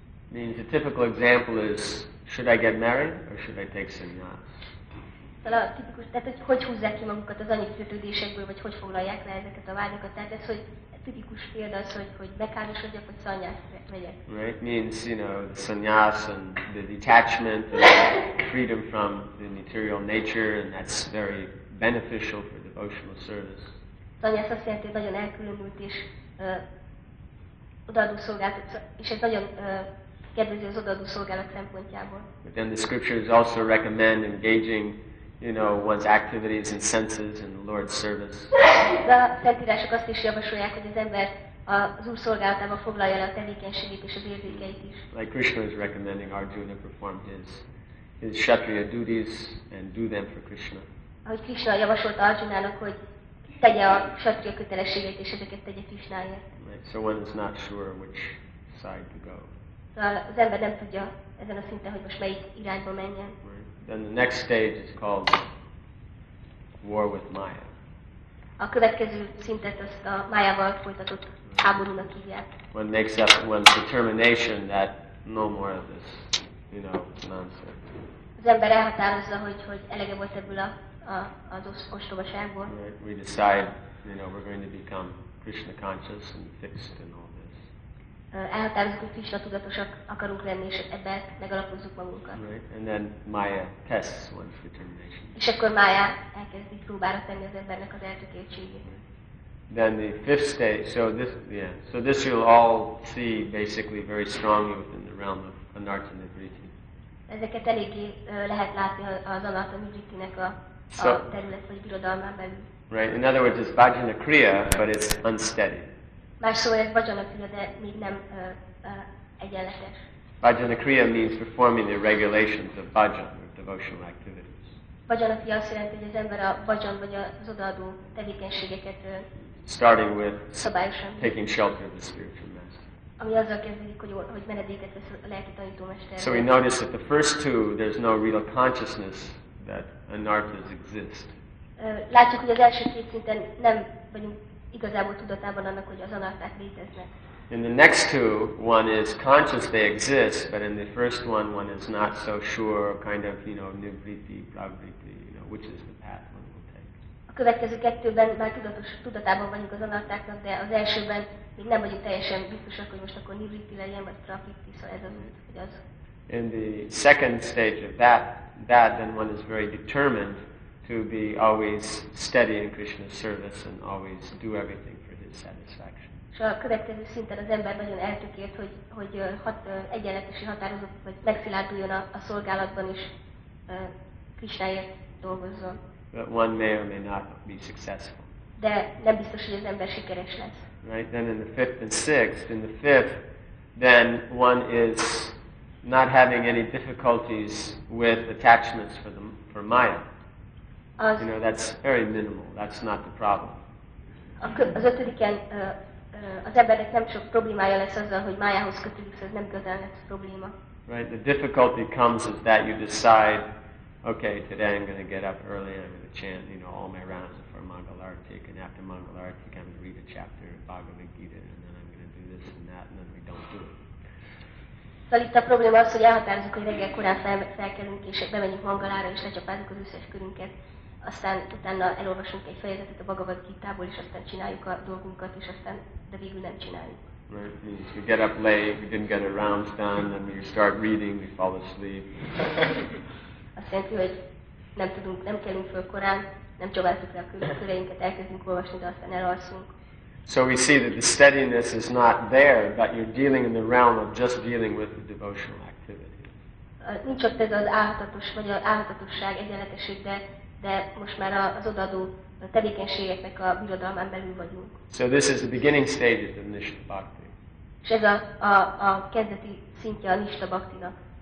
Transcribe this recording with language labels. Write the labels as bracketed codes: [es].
[en] Means a typical example is, should I get married or should I take sannyas? [hu] Tehát, hogy húzzák ki magukat az anyagi kötődésekből, vagy hogy foglalják le ezeket a vágyakat. Tehát ez, hogy tipikus példa az, hogy bekáros vagyok, hogy szanyász megyek. [en] Right, means, you know, the sannyas and the detachment and the freedom from the material nature, and that's very beneficial for devotional service. [hu] Sannyász azt jelenti, nagyon elkülönült és odaadó szolgálat, és ez nagyon kedvező az odaadó szolgálat szempontjából. [en] But then the scriptures also recommend engaging, you know, one's activities and senses in the Lord's service. [hu] De a szentírások azt is javasolják, hogy az ember az Úr szolgálatába foglalja le a tevékenységét és az érzékeit is. [en] Like Krishna is recommending Arjuna perform his kshatriya duties and do them for Krishna. [hu] Ahogy Krishna javasolta Arjunának, hogy tegye a kshatriya kötelességét és ezeket tegye Krishnáért. [en] Right, so one is not sure which side to go. [hu] Az ember nem tudja ezen a szinten, hogy most melyik irányba menjen. [en] Then the next stage is called war with Maya. [hu] A következő szintet azt a Mayával folytatott háborúnak hívják. [en] One makes up one's determination that no more of this, you know, nonsense. [hu] Az ember elhatározza, hogy elege volt ebből az ostobaságból. [en] We decide, you know, we're going to become Krishna conscious and fixed in all this. [hu] Elhatározzuk, hogy Krishna tudatosak akarunk lenni, és ebbe megalapozzuk magunkat. [en] Right. And then Maya tests one's determination. [hu] És akkor Maya elkezdi próbára tenni az embernek az eltökéltségét. [en] Then the fifth stage, so this you'll all see basically very strongly within the realm of Anartha Nivritti. [hu] Ezeket eléggé lehet látni az Anartha Nivritti-nek a terület vagy birodalmán belül. [en] Right, in other words, it's Vajana Kriya, but it's unsteady. [hu] Más szóval ez Vajana Kriya, de még nem egyenletes. [en] Vajana Kriya means performing the regulations of Vajan, or devotional activities. [hu] Vajana Kriya azt jelenti, hogy az ember a Vajan, vagy az odaadó tevékenységeket [en] starting with taking shelter of the spiritual master. [hu] Ami azzal kezdődik, hogy menedéket vesz a lelki tanítómesterre. [en] So we notice that the first two, there's no real consciousness that anarthas exist. [hu] Látjuk, hogy az első két szinten nem vagyunk igazából tudatában annak, hogy az anarthák léteznek. [en] In the next two, one is conscious they exist, but in the first one, one is not so sure, kind of, you know, nivritti, pravritti, you know, which is the path one will take. [hu] A következő kettőben már tudatában vagyunk az anarthaknak, de az elsőben még nem vagyunk teljesen biztosak, hogy most akkor nivritti legyen, vagy pravritti, szóval ez az út, hogy az. [en] In the second stage of that, then one is very determined to be always steady in Krishna's service and always do everything for his satisfaction. [hu] És a következő szinten az ember nagyon eltökélt, hogy egyenletes és határozott, vagy megszilárduljon a szolgálatban is, Krishnáért dolgozzon. [en] But one may or may not be successful. [hu] De nem biztos, hogy az ember sikeres lesz. [en] Right, then in the fifth and sixth, in the fifth, then one is not having any difficulties with attachments for Maya. You know, that's very minimal. That's not the problem. [hu] Az ötödiken az embernek nem sok problémája lesz azzal, hogy Mayához kötődik, ez nem igazán lesz probléma. [en] Right, the difficulty comes is that you decide, okay, today I'm going to get up early and I'm going to chant, you know, all my rounds for Mangalartik, and after Mangalartik I'm going to read a chapter of Bhagavad Gita, and then I'm going to do this and that, and then we don't do it. [hu] Szóval itt a probléma az, hogy elhatározunk, hogy reggel korán felkelünk, és bemegyünk Mangalára, és lecsapázunk az összes körünket, aztán utána elolvasunk egy fejezetet a Bhagavad Gita-ból, és aztán csináljuk a dolgunkat, és aztán, de végül nem csináljuk. [en] Right. We get up late, we didn't get our rounds done, and we start reading, we fall asleep. [hu] Azt jelenti, hogy nem kelünk föl korán, nem csapáztuk le a köreinket, elkezdünk olvasni, de aztán elalszunk. [en] So we see that the steadiness is not there, but you're dealing in the realm of just dealing with the devotional activity. [hu] Nincs ott ez az álhatatos vagy az álhatatosság egyenletesség, de most már az odaadó tevékenységeknek a birodalmán belül vagyunk. [en] So this is the beginning stage of Nishta Bhakti. [hu] És ez a kezdeti szintje a Nishta Bhakti-nak.